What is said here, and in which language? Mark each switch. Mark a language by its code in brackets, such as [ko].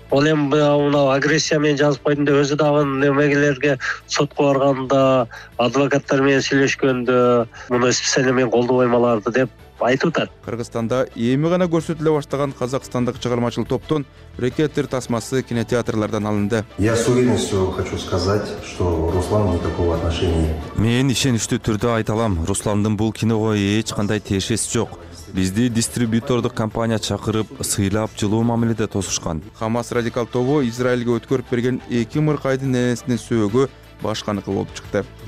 [ky] Ал эми мынау агрессия менен жазып койдунда, өзү дагы эмегелерге сотко барганда, адвокаттар менен сүйлөшкөндө муну специально мен колдобоймаларды деп айтып атат. Кыргызстанда эми гана көрсөтүлө баштаган казакстандык чыгармачыл топтун рекеттер тасмасы кинотеатрлардан алынды. [ru] Я с уверенностью хочу сказать, что Руслан никакого отношения. [ky] Мен ишеничтүү түрдө айта алам, Русландын бул киного эч кандай тиешеси жок. Бизди дистрибьютордук компания чакырып, сыйлап, жылуу мамиледе тосушкан. Хамас радикал тобу Израилге өткөрүп берген эки мыркайдын энесинин сөөгү башканыкы болуп чыкты.